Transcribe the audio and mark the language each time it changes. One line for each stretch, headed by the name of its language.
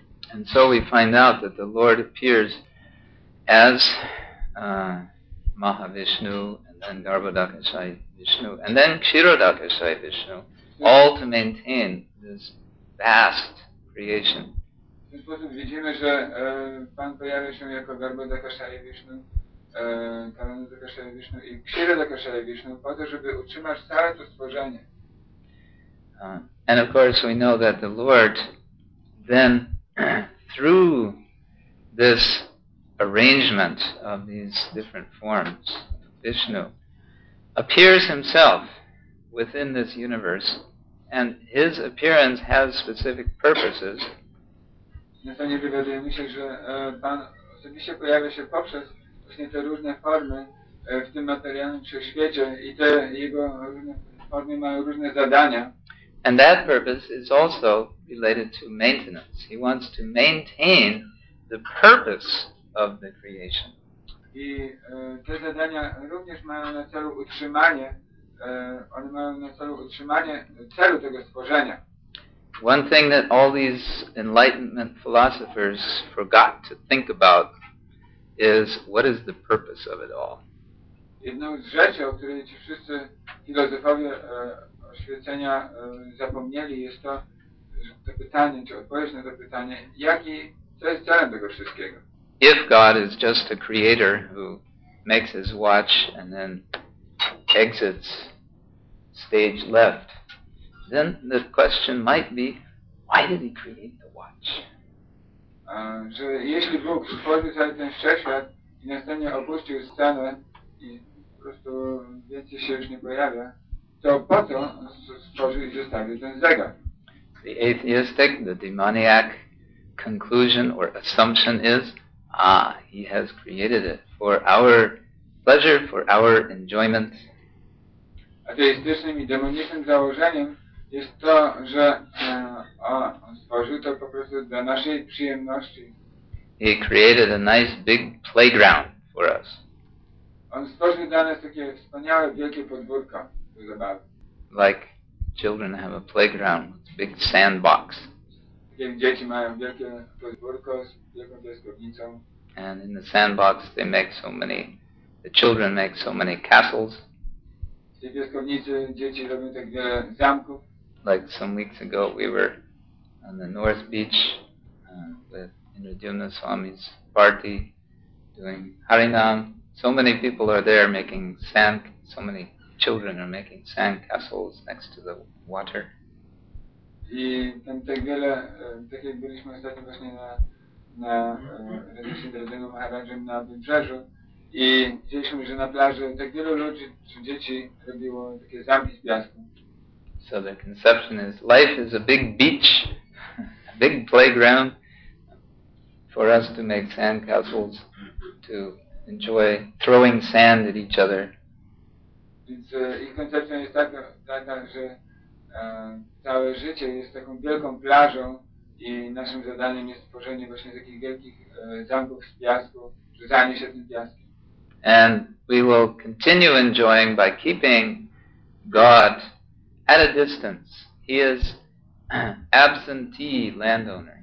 English: And so we find out that the Lord appears as Mahavishnu, and then Garbhodakshay Vishnu, and then Kshirodakshay Vishnu, all to maintain this vast creation.
Polish: W ten sposób widzimy, że Pan pojawia się jako Garbhodakshaya Vishnu, Karanodakshaya Vishnu i Kshirodakshaya Vishnu po to, żeby utrzymać całe to stworzenie.
English: And of course we know that the Lord then through this arrangement of these different forms of Vishnu appears himself within this universe, and his appearance has specific purposes.
Polish: Następnie wywiadujemy się, że Pan osobiście pojawia się poprzez właśnie te różne formy w tym materialnym wszechświecie i te jego różne formy mają różne zadania.
English: And that purpose is also related to maintenance. He wants to maintain the purpose of the creation.
Polish: I te zadania również mają na celu utrzymanie, one mają na celu utrzymanie celu tego stworzenia.
English: One thing that all these enlightenment philosophers forgot to think about is what is the purpose of it all.
Polish: Jedną z rzeczy, o której ci wszyscy filozofowie oświecenia zapomnieli, jest to pytanie, czy odpowiedź na to pytanie, co jest celem tego wszystkiego.
English: If God is just a creator who makes his watch and then exits stage left, then the question might be, why did he create the watch?
Polish: Że jeśli Bóg stworzył cały ten wszechświat i następnie opuścił scenę i po prostu więcej się już nie pojawia, to po to stworzył i zostawił ten zegar.
English: The atheistic, the demoniac conclusion or assumption is, he has created it for our pleasure, for our enjoyment.
Polish: Ateistycznym i demonicznym założeniem jest to, że on stworzył to po prostu dla naszej przyjemności.
English: He created a nice big playground for us.
Polish: On stworzył dla nas takie wspaniałe wielkie podwórko do zabawy.
English: Like children have a playground with a big sandbox.
Polish: Takie dzieci mają wielkie podwórko z wielką piaskownicą.
English: And in the sandbox they make so many, the children make so many castles.
Polish: W tej piaskownicy dzieci robią tak wiele zamków.
English: Like some weeks ago, we were on the North Beach with Indradyumna Swami's party doing Harinam. So many people are there making sand, so many children are making sand castles next to the water.
Polish: I tam tak wiele, tak jak byliśmy ostatnio właśnie na rejestrze Indradyumna Maharajem na wybrzeżu i widzieliśmy, że na plaży tak wielu ludzi, czy dzieci robiło takie zamki z piasku.
English: So the conception is, life is a big beach, a big playground for us to make sand castles, to enjoy throwing sand at each other.
Polish: Więc ich koncepcja jest taka, że całe życie jest taką wielką plażą i naszym zadaniem jest tworzenie właśnie takich wielkich zamków z piasku, rzucanie się tym piaskiem.
English: And we will continue enjoying by keeping God at a distance. He is absentee landowner.